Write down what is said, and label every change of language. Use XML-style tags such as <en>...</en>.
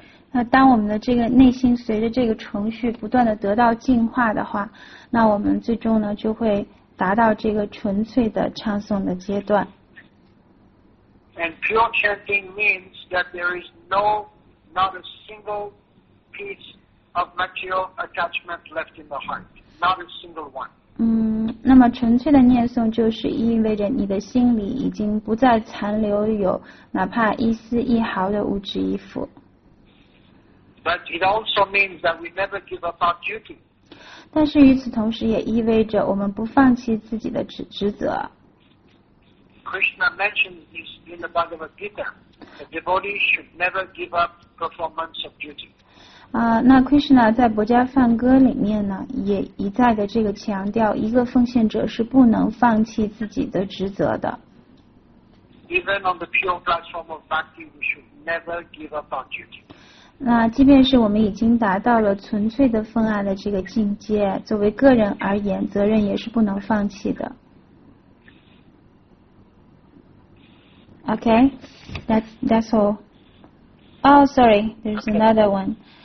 <zh>那当我们的这个内心随着这个程序不断的得到净化的话，那我们最终呢就会达到这个纯粹的唱诵的阶段。</zh> <en>And pure chanting means that there is not a single piece of material attachment left in the heart, not a single one.</en> <zh>那么纯粹的念诵就是意味着你的心里已经不再残留有哪怕一丝一毫的物质依附。</zh> <en>But it also means that we never give up our duty.</en> <zh>但是与此同时也意味着我们不放弃自己的职责。</zh> <en>Krishna mentions this in the Bhagavad Gita. A devotee should never give up performance of duty.</en> <zh>那 Krishna 在《薄伽梵歌》里面呢，也一再的这个强调，一个奉献者是不能放弃自己的职责的。</zh> <en>Even on the pure platform of bhakti, we should never give up our duty.</en> <zh>那即便是我们已经达到了纯粹的奉爱的这个境界，作为个人而言，责任也是不能放弃的。</zh> <en>Okay, that's all. Oh, sorry, there's another one.</en>